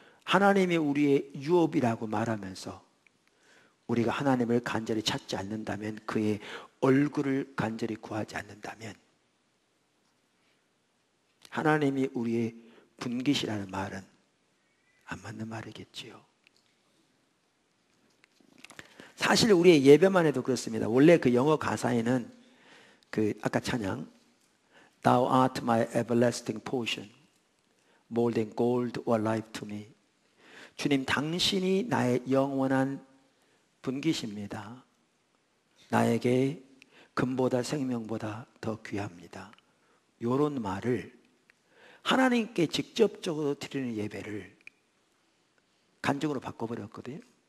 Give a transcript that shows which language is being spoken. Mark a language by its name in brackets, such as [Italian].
[Korean] 하나님이 우리의 유업이라고 말하면서 우리가 하나님을 간절히 찾지 않는다면, 그의 얼굴을 간절히 구하지 않는다면, 하나님이 우리의 분깃이라는 말은 안 맞는 말이겠지요. 사실 우리의 예배만 해도 그렇습니다. 원래 그 영어 가사에는 그 아까 찬양 [English] Thou art my everlasting portion, more than gold or life to me. [Korean] 주님, 당신이 나의 영원한 분깃입니다. 나에게 금보다 생명보다 더 귀합니다. 이런 말을 하나님께 직접적으로 드리는 예배를 간증으로 바꿔버렸거든요.